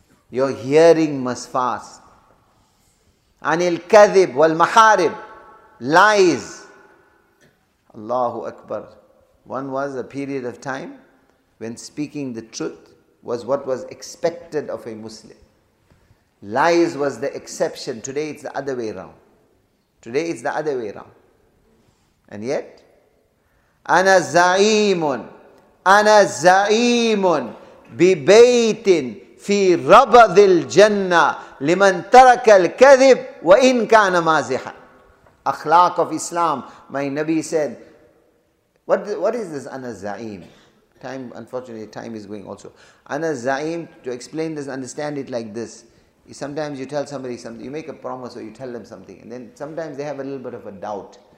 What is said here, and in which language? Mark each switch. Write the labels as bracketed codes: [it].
[en] Your hearing must fast. [ar] عَنِ الْكَذِبْ وَالْمَحَارِبْ. [en] Lies. Allahu Akbar. One was a period of time when speaking the truth was what was expected of a Muslim. Lies was the exception. Today it's the other way around. Today it's the other way around. And yet, [ar] أَنَا زَعِيمٌ أَنَا زَعِيمٌ بِبَيْتٍ فِي رَبَضِ الْجَنَّةِ لِمَنْ تَرَكَ الْكَذِبِ وَإِنْ كَانَ مَازِحًا. [en] Akhlaq of Islam. My Nabi said, what is this [ar] أَنَا زَعِيمٌ? [en] Time, unfortunately, time is going also. [ar] أَنَا زَعِيمٌ, [en] to explain this, understand it like this. Sometimes you tell somebody something, you make a promise or you tell them something, and then sometimes they have a little bit of a doubt.